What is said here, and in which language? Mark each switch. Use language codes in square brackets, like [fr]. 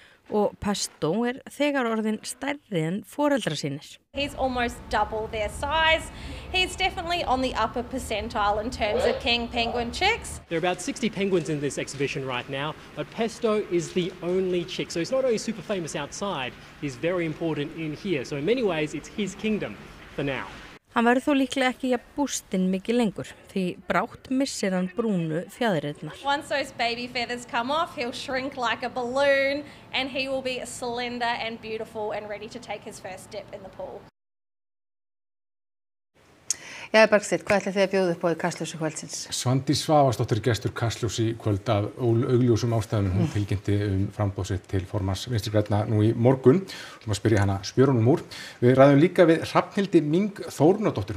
[is] og Pesto er þegar orðin stærri en foreldra sínir. [en] He's almost double their size. He's definitely on the upper percentile in terms of king penguin chicks. There are about 60 penguins in this exhibition right now, but Pesto is the only chick. So he's not only super famous outside, he's very important in here. So in many ways it's his kingdom for now. [is] Hann verður þó líklega ekki jafn bústinn mikið lengur, því brátt missir hann brúnu fjaðrirnar. [en] Once those baby feathers come off, he'll shrink like a balloon and he will be slender and beautiful and ready to take his first dip in the pool. [is] Jæja Bergsteinn, hvað ætlið þið að bjóða upp á í Kastljósi kvöldsins? Svandís Svavarsdóttir gestur Kastljósi kvöld af augljósum ástæðum. Hún tilkynnti framboð sitt til formanns Vinstri grænna nú í morgun. Hún var að spyrja hana spjörunum úr. Við ræðum líka við Hrafnhildi Ming Þórunardóttir.